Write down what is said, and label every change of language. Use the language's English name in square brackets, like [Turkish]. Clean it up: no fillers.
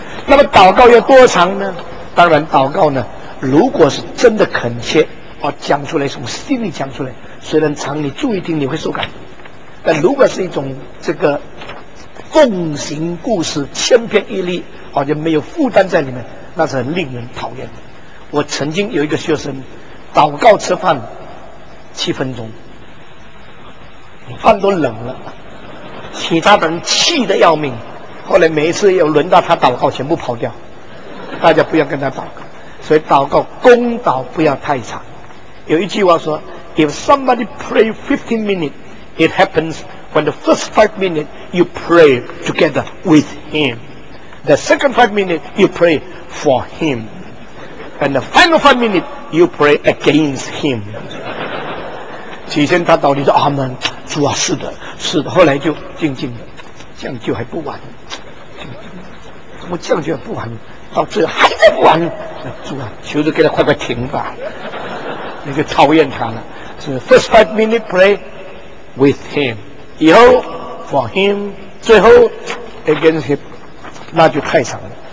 [Chinese] 那么祷告要多长呢？当然祷告呢，如果是真的恳切，讲出来从心里讲出来，虽然长你注意听你会受感，但如果是一种这个奉行故事千篇一律，好像没有负担在里面，那是很令人讨厌的。我曾经有一个学生祷告吃饭7分钟，饭都冷了，其他的人气得要命，后来每一次要轮到他祷告全部跑掉，大家不要跟他祷告。所以祷告公祷不要太长，有一句话说， [English] If somebody pray 15 minutes it happens when the first 5 minutes you pray together with him, the second 5 minutes you pray for him, and the final 5 minutes you pray against him. [Chinese] 起先他祷告说阿们，主啊是的是的，后来就静静的，这样就还不完，怎么这样就还不完，到最后还在不完，主啊求着给他快快停吧，你就讨厌他了。 [English] 是 first 5 minutes pray with him, [Chinese] 以后 [English] for him, [Chinese] 最后 [English] against him, [Chinese] 那就太长了。